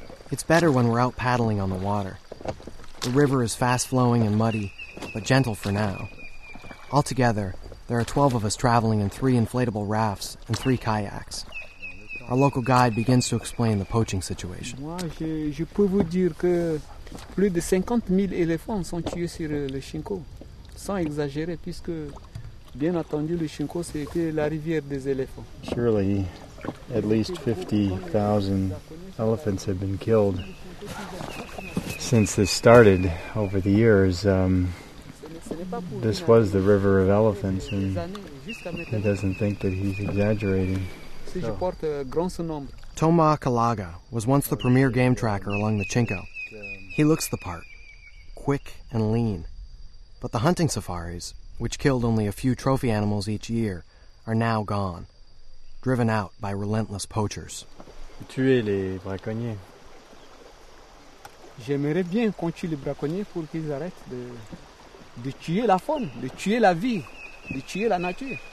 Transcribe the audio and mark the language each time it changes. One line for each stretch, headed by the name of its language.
English: It's better when we're out paddling on the water. The river is fast-flowing and muddy, but gentle for now. Altogether, there are 12 of us traveling in 3 inflatable rafts and 3 kayaks. Our local guide begins to explain the poaching situation.
French: Je peux vous dire que plus de 50,000 éléphants sont tués sur le Chinko, sans exagérer, puisque bien entendu le Chinko c'est la rivière des éléphants.
English: Surely, at least 50,000 elephants have been killed since this started over the years. This was the river of elephants, and he doesn't think that he's exaggerating. Toma Kalaga was once the premier game tracker along the Chinko. He looks the part, quick and lean. But the hunting safaris, which killed only a few trophy animals each year, are now gone, driven out by relentless poachers.
French: Tuer les braconniers. J'aimerais bien qu'on tue les braconniers pour qu'ils arrêtent de tuer la faune, de tuer la vie, de tuer la nature.